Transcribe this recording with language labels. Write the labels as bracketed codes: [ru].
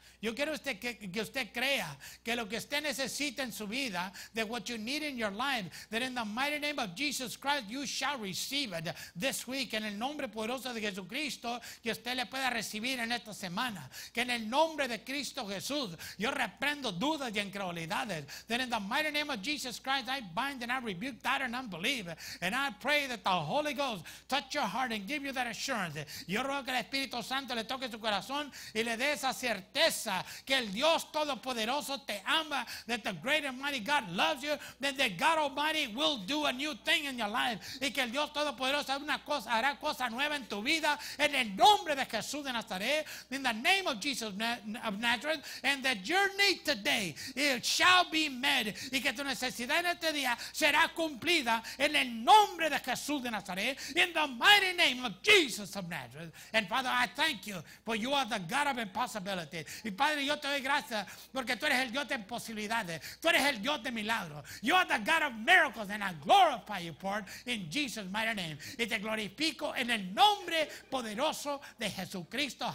[es] Yo quiero usted que usted crea que lo que usted necesita en su vida, [en] that what you need in your life, that in the mighty name of Jesus Christ, you shall receive it this week. [es] En el nombre poderoso de Jesucristo, que usted le pueda recibir en esta semana. Que en el nombre de Cristo Jesús, yo reprendo dudas y incredulidades. [en] That in the mighty name of Jesus Christ, I bind and I rebuke doubt and unbelief. And I pray that the Holy Ghost touch your heart and give you that assurance. [es] Yo ruego que el Espíritu Santo le toque su corazón y le dé esa certeza. Que el Dios Todopoderoso te ama, [en] that the great and mighty God loves you, that the God Almighty will do a new thing in your life, [es] y que el Dios Todopoderoso hará cosa nueva en tu vida, en el nombre de Jesús de Nazaret, [en] in the name of Jesus of Nazareth, and that your need today it shall be met, [es] y que tu necesidad en este día será cumplida, en el nombre de Jesús de Nazaret, [en] in the mighty name of Jesus of Nazareth. And Father, I thank you, for you are the God of impossibility. [es] Y Padre, yo te doy gracias porque tú eres el Dios de posibilidades. Tú eres el Dios de milagros. [en] You are the God of miracles and I glorify you for it in Jesus' mighty name. [es] Y te glorifico en el nombre poderoso de Jesucristo.